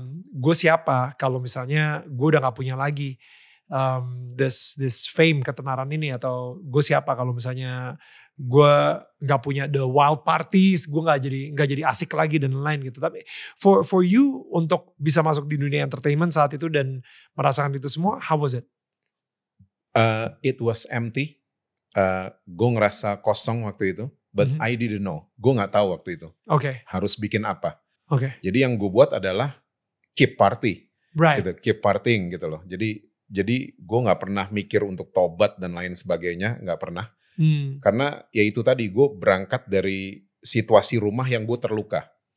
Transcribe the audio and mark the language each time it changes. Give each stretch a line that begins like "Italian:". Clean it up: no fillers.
Indonesian: Gue siapa kalau misalnya gue udah gak punya lagi.
English: This fame
Indonesian: ketenaran ini atau gue siapa kalau misalnya gue nggak punya
English: the wild parties
Indonesian: gue nggak jadi asik lagi dan lain gitu tapi
English: for you
Indonesian: untuk bisa masuk di dunia entertainment saat itu dan merasakan itu semua
English: how was it? It was empty.
Indonesian: Gue ngerasa kosong waktu itu,
English: but I didn't know.
Indonesian: Gue nggak tahu waktu itu. Oke. Okay. Harus bikin apa? Oke. Okay. Jadi yang gue buat adalah
English: keep party. Right.
Indonesian: Gitu,
English: keep partying
Indonesian: gitu loh. Jadi gue gak pernah mikir untuk tobat dan lain sebagainya, gak pernah. Karena ya itu tadi, gue berangkat dari situasi rumah yang gue terluka.